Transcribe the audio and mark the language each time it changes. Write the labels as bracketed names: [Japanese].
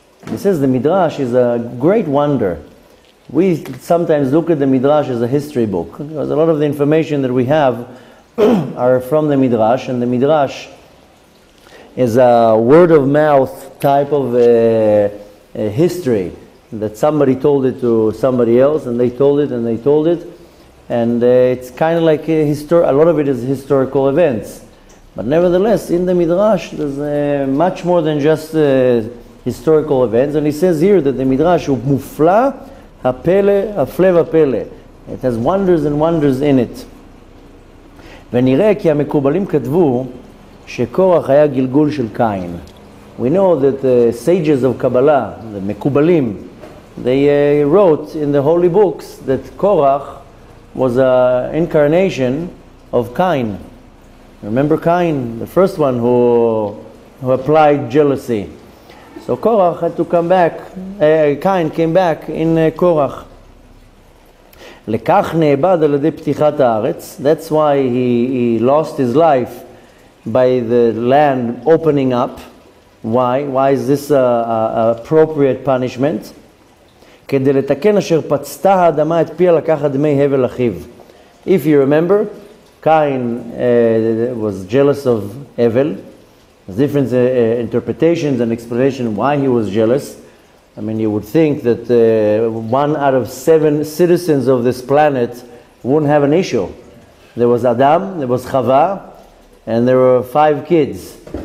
[English] He says the Midrash is a great wonder. We sometimes look at the Midrash as a history book, because a lot of the information that we have are from the Midrash, and the Midrash is a word of mouth type of a history that somebody told it to somebody else, and they told it, and it's kind of like a lot of it is historical events. But nevertheless, in the Midrash, there's much more than just historical events. And he says here that the Midrash [Hebrew] mufla hapele afleva pele, [English] it has wonders and wonders in it. [Hebrew] Ve'nireh ki ha-mekubalim katvu שקורח היה גלגול של קין. [English] We know that the sages of Kabbalah, the Mekubalim, they wrote in the holy books that Korach was an incarnation of Cain. Remember Cain, the first one who applied jealousy. So Korach had to come back. Cain came back in Korach. [Hebrew] לכך נאבד על ידי פתיחת הארץ. [English] That's why he lost his life by the land opening up. Why is this a appropriate punishment? [Hebrew] כדי לתקן אשר פצתה האדמה את פיה לקחת דמי הבל אחיו. [English] If you remember, Cain was jealous of Abel. There's different interpretations and explanation why he was jealous. I mean, you would think that one out of seven citizens of this planet wouldn't have an issue. There was Adam, there was Chava, and there were five kids.